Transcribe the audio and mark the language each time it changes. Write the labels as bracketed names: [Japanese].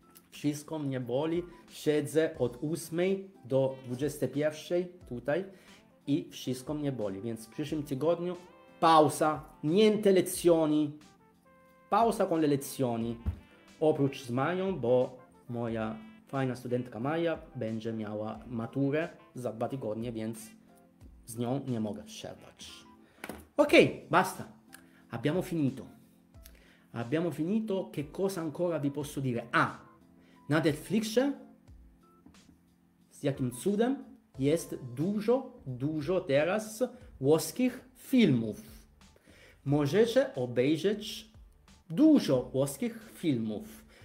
[Polish] Wszystko mnie boli, siedzę od 8 do 21 tutaj i wszystko mnie boli, więc w przyszłym tygodniu [Italian] pausa, niente lezioni, pausa con le lezioni, [Polish] oprócz z Mają, bo moja fajna studentka Maja będzie miała maturę za 2 tygodnie, więc z nią nie mogę przerwać. [Italian] Ok, basta, abbiamo finito. Abbiamo finito, che cosa ancora vi posso dire? [Polish] Ah, na Netflixie, z jakim cudem, jest dużo teraz włoskich filmów. Możecie obejrzeć dużo włoskich filmów.